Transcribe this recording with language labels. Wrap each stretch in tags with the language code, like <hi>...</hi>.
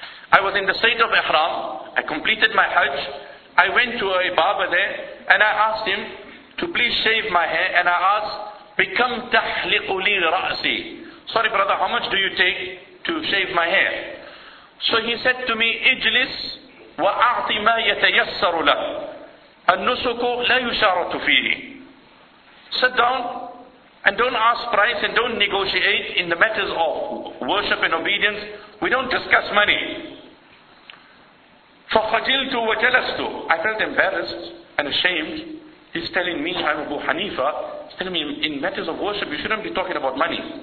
<en>I was in the state of Ihram. I completed my Hajj. I went to a barber there and I asked him to please shave my hair, and I asked,</en> <ar>بِكَمْ تَحْلِقُ لِي رَأْسِي.</ar> <en>Sorry brother, how much do you take to shave my hair? So he said to me,</en> <ar>اجلس وأعطي ما يتيسر له النسك لا يشارة فيه.</ar> <en>Sit down and don't ask price and don't negotiate in the matters of worship and obedience. We don't discuss money.</en> <ar>فخجلت وجلست.</ar> <en>I felt embarrassed and ashamed. He's telling me, I'm Abu Hanifa, he's telling me in matters of worship you shouldn't be talking about money.</en>